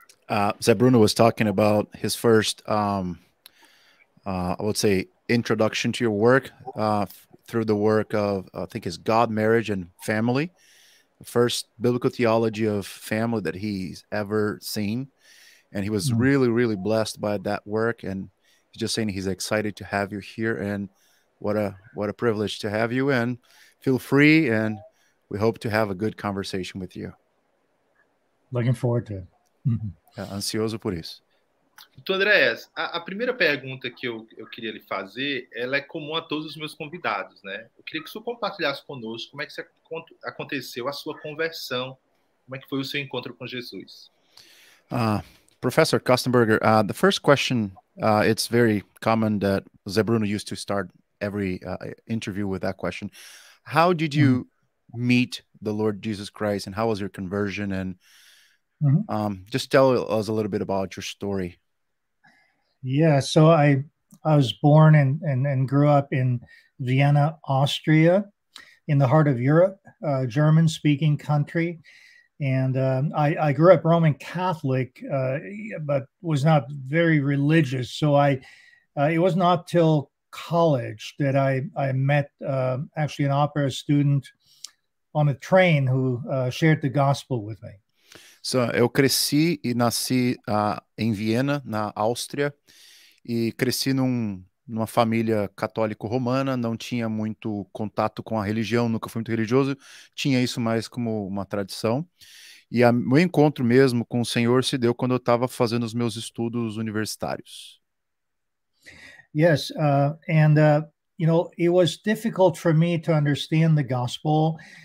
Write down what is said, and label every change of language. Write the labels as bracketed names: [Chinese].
[English] Zé Bruno was talking about his first, I would say, introduction to your work through the work of, I think, is God, Marriage, and Family, the first biblical theology of family that he's ever seen. And he was really, really blessed by that work. And he's just saying he's excited to have you here, and what a privilege to have you. And feel free, and we hope to have a good conversation with you. Looking forward to [Portuguese] Ansioso por isso. [English] it. [Portuguese] Então, Andreas, a primeira pergunta que eu queria lhe fazer, ela é comum a todos os meus convidados, né? Eu queria que o senhor compartilhasse conosco como é que aconteceu a sua conversão, como é que foi o seu encontro com Jesus. [English] Professor Köstenberger, the first question, it's very common that Zé Bruno used to start every interview with that question. How did you meet the Lord Jesus Christ, and how was your conversion? And just tell us a little bit about your story. Yeah, so I was born and grew up in Vienna, Austria, in the heart of Europe, German-speaking country. And I grew up Roman Catholic, but was not very religious. So it was not till college that I met actually an opera student on a train who shared the gospel with me. [Portuguese] So, eu cresci e nasci em Viena, na Áustria, e cresci numa família católico-romana, não tinha muito contato com a religião, nunca fui muito religioso, tinha isso mais como uma tradição. E o meu encontro mesmo com o Senhor se deu quando eu estava fazendo os meus estudos universitários. [English] Yes, and you know, it was difficult for me to understand the gospel.